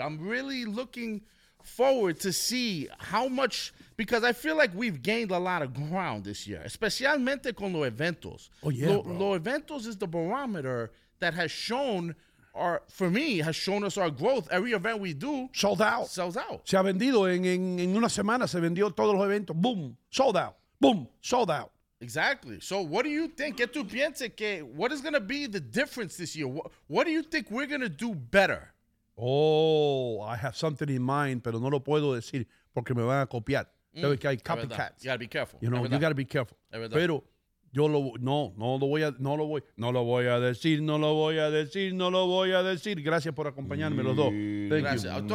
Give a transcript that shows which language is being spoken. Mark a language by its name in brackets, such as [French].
[English] I'm really looking forward to see how much, because I feel like we've gained a lot of ground this year, [Spanish] especialmente con los eventos. [English] Oh, yeah, [Spanish] los eventos [English] is the barometer that has shown our, for me, has shown us our growth. Every event we do. Sold out. Sells out. [Spanish] Se ha vendido en una semana, se vendió todos los eventos. [English] Boom. Sold out. Boom. Sold out. Exactly. So what do you think? [Spanish] ¿Qué tú piensas que, [English] what is going to be the difference this year? What do you think we're going to do better? Oh, I have something in mind, [Spanish] pero no lo puedo decir porque me van a copiar. Sabes que hay copycats. [English] You gotta be careful. You know, you gotta be careful. Pero [Spanish] Yo lo no, no lo voy a, no lo voy, no lo voy a decir, no lo voy a decir, no lo voy a decir. Gracias por acompañarme los dos. [English] Thank you.